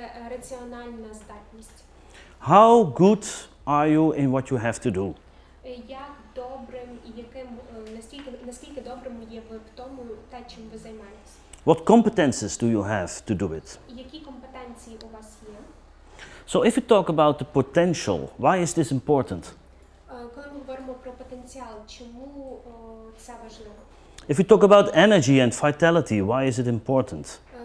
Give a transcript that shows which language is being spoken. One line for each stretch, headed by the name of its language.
Ukrainian: Раціональна здатність.
English: How good are you in what you have to do?
Ukrainian: Як добрим, яким, наскільки добрим є ви в тому, те, чим ви займаєтесь?
English: What competences do you have to do it?
Ukrainian: Які компетенції у вас є?
English: So if you talk about the potential, why is this important?
Ukrainian: Коли ми говоримо про потенціал, чому це важливо?
English: If you talk about energy and vitality, why is it important?